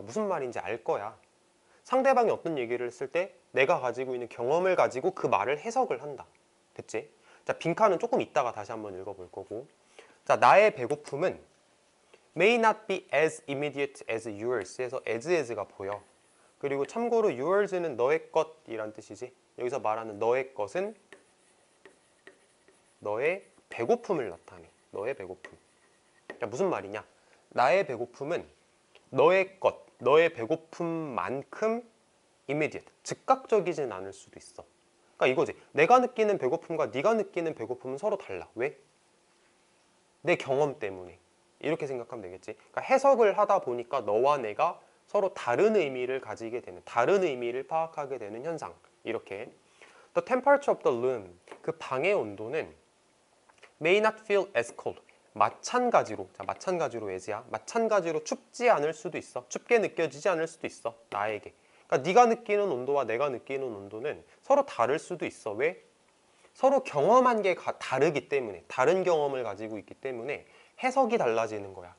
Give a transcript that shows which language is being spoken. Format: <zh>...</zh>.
<ko>무슨 말인지 알 거야. 상대방이 어떤 얘기를 했을 때 내가 가지고 있는 경험을 가지고 그 말을 해석을 한다. 됐지? 자, 빈칸은 조금 이따가 다시 한번 읽어볼 거고. 자, 나의 배고픔은</ko> <en>may not be as immediate as yours.</en> <ko>해서 as가 보여. 그리고 참고로 yours는 너의 것이란 뜻이지. 여기서 말하는 너의 것은 너의 배고픔을 나타내. 너의 배고픔. 자, 무슨 말이냐? 나의 배고픔은 너의 것, 너의 배고픔만큼 immediate, 즉각적이진 않을 수도 있어. 그러니까 이거지. 내가 느끼는 배고픔과 네가 느끼는 배고픔은 서로 달라. 왜? 내 경험 때문에. 이렇게 생각하면 되겠지. 그러니까 해석을 하다 보니까 너와 내가 서로 다른 의미를 가지게 되는, 다른 의미를 파악하게 되는 현상. 이렇게.</ko> <en>The temperature of the room,</en> <ko>그 방의 온도는</ko> <en>may not feel as cold.</en> <ko>마찬가지로, 자, 마찬가지로 as야. 마찬가지로 춥지 않을 수도 있어. 춥게 느껴지지 않을 수도 있어. 나에게. 그러니까 네가 느끼는 온도와 내가 느끼는 온도는 서로 다를 수도 있어. 왜? 서로 경험한 게 다르기 때문에, 다른 경험을 가지고 있기 때문에 해석이 달라지는 거야.</ko>